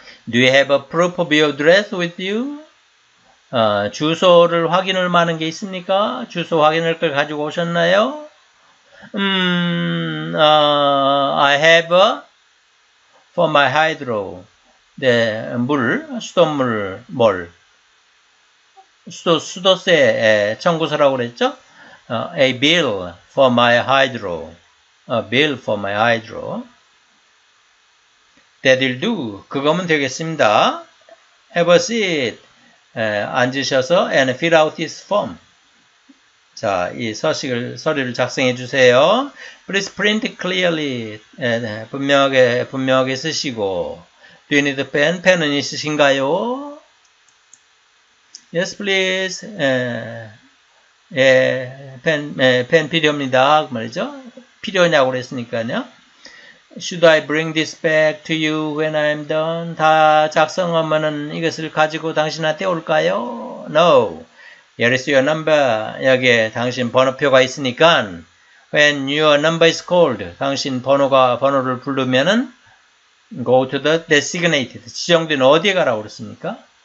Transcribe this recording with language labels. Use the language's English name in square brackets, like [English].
[English] Do you have a proof of your address with you? [Korean] 주소를 확인할 만한 게 있습니까? 주소 확인할 걸 가지고 오셨나요? [English] I have a for my hydro. [Korean] 네, 물, 수돗물, 뭘? 수도세 청구서라고 그랬죠? [English] A bill for my hydro. A bill for my hydro. That'll do. [Korean] 그거면 되겠습니다. [English] Have a seat. [Korean] 앉으셔서 [English] and fill out this form. [Korean] 자, 이 서류를 작성해 주세요. [English] Please print clearly. [Korean] 분명하게 쓰시고. [English] Do you need a pen? [Korean] 펜은 있으신가요? [English] Yes, please. [Korean] 펜 필요합니다. 그 말이죠. 필요하냐고 그랬으니까요. [English] Should I bring this back to you when I'm done? [Korean] 다 작성하면은 이것을 가지고 당신한테 올까요? [English] No. Here is your number. [Korean] 여기에 당신 번호표가 있으니까 [English] When your number is called, [Korean] 당신 번호를 부르면은 [English] go to the designated, [Korean] 지정된 어디에 가라고 그랬습니까?